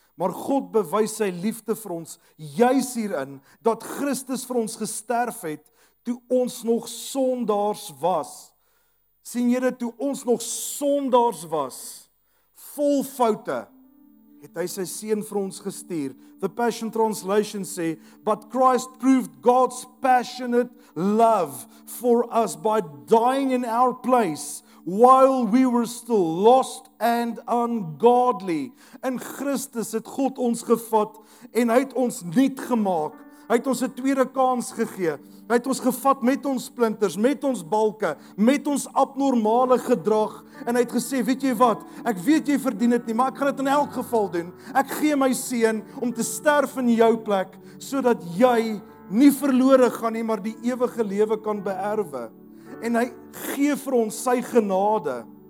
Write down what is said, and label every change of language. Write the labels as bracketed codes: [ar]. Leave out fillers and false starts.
[af] Maar God bewys sy liefde vir ons juis hierin, dat Christus vir ons gesterf het, toe ons nog sondaars was. Sien jy dit, toe ons nog sondaars was, vol foute, het hy sy seun vir ons gestuur. [en] The Passion Translation sê, but Christ proved God's passionate love for us by dying in our place, while we were still lost and ungodly. [af] In Christus het God ons gevat en hy het ons nuut gemaak. Hy het ons 'n tweede kans gegee. Hy het ons gevat met ons splinters, met ons balke, met ons abnormale gedrag. En hy het gesê, weet jy wat, ek weet jy verdien het nie, maar ek gaan het in elk geval doen. Ek gee my seun om te sterf in jou plek, sodat jy nie verlore gaan nie, maar die ewige lewe kan beerwe. En hy gee vir ons sy genade.